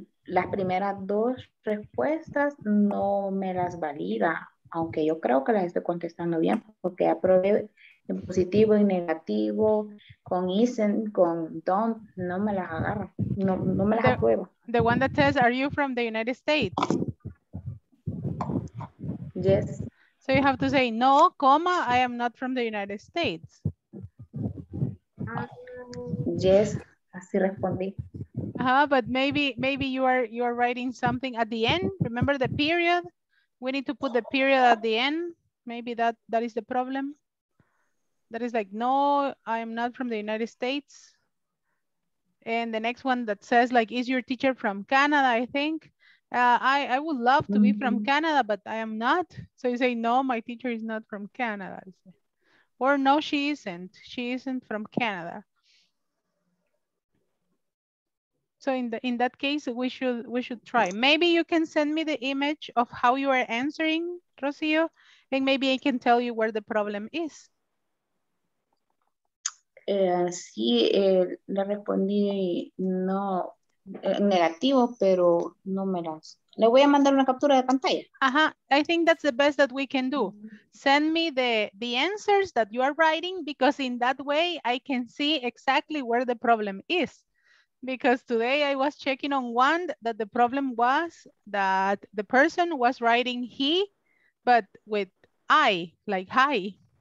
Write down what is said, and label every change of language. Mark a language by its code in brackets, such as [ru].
[es] Las primeras dos respuestas no me las valida, aunque yo creo que las estoy contestando bien, porque aprobé en positivo y negativo, con isn't, con don't, no me las agarro, no me las apruebo. [en] The one that says, are you from the United States? Yes. So you have to say, no, comma, I am not from the United States. [es] Yes, así respondí. [en] But maybe you are writing something at the end. Remember the period? We need to put the period at the end. Maybe that is the problem. That is like, no, I am not from the United States. And the next one that says like, is your teacher from Canada? I think I would love to be from Canada, but I am not. So you say, no, my teacher is not from Canada. Or no, she isn't. She isn't from Canada. So in that case, we should try. Maybe you can send me the image of how you are answering, Rocio, and maybe I can tell you where the problem is. [es] Sí, le respondí no negativo, pero no me las. Le voy a mandar una captura de pantalla. [en] Ajá, I think that's the best that we can do. Send me the answers that you are writing, because in that way I can see exactly where the problem is. Because today I was checking on one that the problem was that the person was writing he, but with I, like hi.